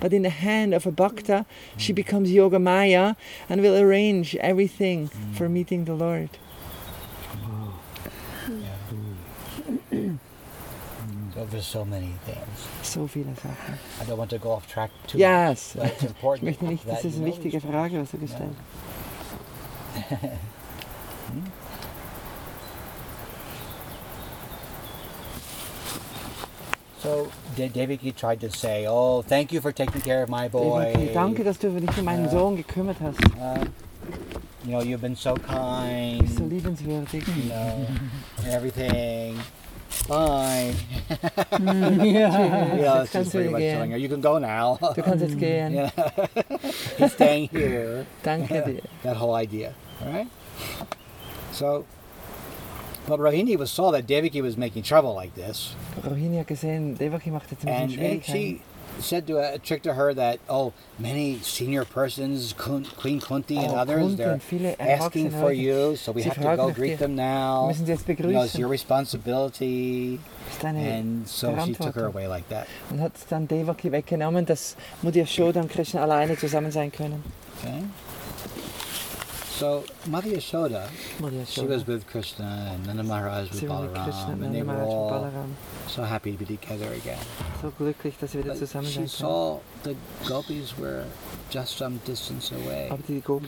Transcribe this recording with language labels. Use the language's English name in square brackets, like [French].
[English] But in the hand of a bhakta, she becomes Yoga Maya and will arrange everything for meeting the Lord. Wow. Yeah. So there's so many things. [German] So viele Sachen. [English] I don't want to go off track too much. But it's important. [German] Ich möchte nicht, das ist eine wichtige Frage, was du gestellt hast. [English] So Devaki tried to say, oh, thank you for taking care of my boy. [German] Devaki, danke, dass du dich um meinen Sohn gekümmert hast. [English] You know, you've been so kind. [German] So liebenswürdig. [English] You know, and everything. Bye. Yeah. Yeah, she's pretty much telling her. You can go now. [German] Du kannst jetzt gehen. Yeah. [English] He's staying here. [German] Danke dir. [English] That whole idea. But Rohini saw that Devaki was making trouble like this. [German] Rohini hat gesehen, Devaki macht jetzt ein bisschen Schwierigkeiten. [English] And she said to trick to her that many senior persons, Queen Kunti and others, they're asking for you, so we have to go greet them now. [German] Müssen sie jetzt begrüßen. [English] It's your responsibility. And so she took her away like that. [German] Und hat dann Devaki weggenommen, dass Mudir Shoda und Krishna alleine zusammen sein können. [English] So Mother Yashoda, she was with Krishna, and Nanda Maharaj with Balaram, and they were all so happy to be together again. [German] So glücklich, dass sie wieder zusammen sind. [English] She saw the gopis were just some distance away. [German] Aber die Gopis,